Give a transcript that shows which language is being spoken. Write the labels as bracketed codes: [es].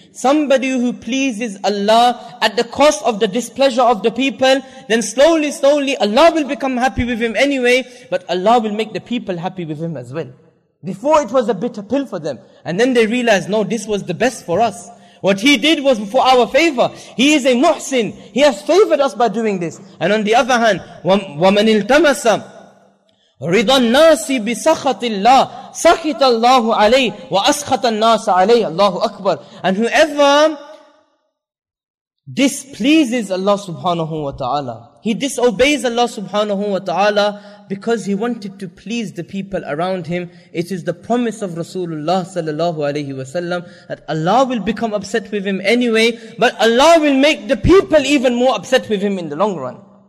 [en] Somebody who pleases Allah at the cost of the displeasure of the people, then slowly, slowly Allah will become happy with him anyway, but Allah will make the people happy with him as well. Before it was a bitter pill for them. And then they realized, no, this was the best for us. What he did was for our favor. He is a muhsin. He has favored us by doing this. And on the other hand, [ar] وَمَنِ الْتَمَسَ رِضَ النَّاسِ بِسَخَطِ اللَّهِ سَخِطَ اللَّهُ عَلَيْهِ وَأَسْخَطَ النَّاسَ عَلَيْهِ Allahu Akbar. [en] And whoever displeases Allah subhanahu wa ta'ala, he disobeys Allah subhanahu wa ta'ala because he wanted to please the people around him. It is the promise of Rasulullah sallallahu alayhi wa sallam that Allah will become upset with him anyway, but Allah will make the people even more upset with him in the long run.